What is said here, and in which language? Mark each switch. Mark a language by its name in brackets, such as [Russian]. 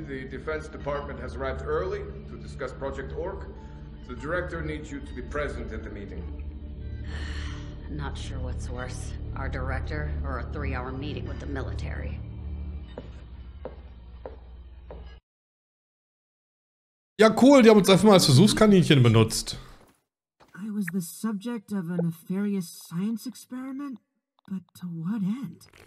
[English] The Defense Department has arrived early to discuss Project Orc. The director needs you to be present at the meeting. Not sure what's worse, our director or a 3-hour meeting with the military. [German] Ja, cool, die haben uns einfach mal als Versuchskaninchen benutzt. [English] I was the subject of a nefarious science experiment, but to what end?